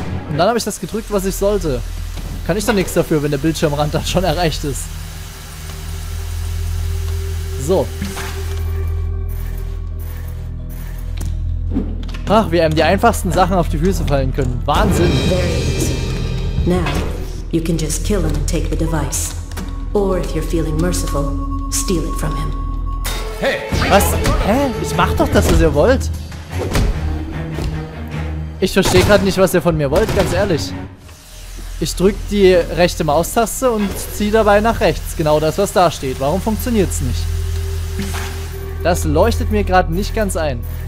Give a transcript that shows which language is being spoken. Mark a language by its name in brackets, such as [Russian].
[German] Und dann habe ich das gedrückt, was ich sollte. Kann ich da nichts dafür, wenn der Bildschirmrand dann schon erreicht ist. So. Ach, wie einem die einfachsten Sachen auf die Füße fallen können. Wahnsinn. [English] Now, you can just kill him and take the device. Or if you're feeling merciful, steal it from him. [German] Hey! Was? Hä? Ich mach doch das, was ihr wollt. Ich verstehe gerade nicht, was ihr von mir wollt, ganz ehrlich. Ich drück die rechte Maustaste und ziehe dabei nach rechts. Genau das, was da steht. Warum funktioniert's nicht? Das leuchtet mir gerade nicht ganz ein.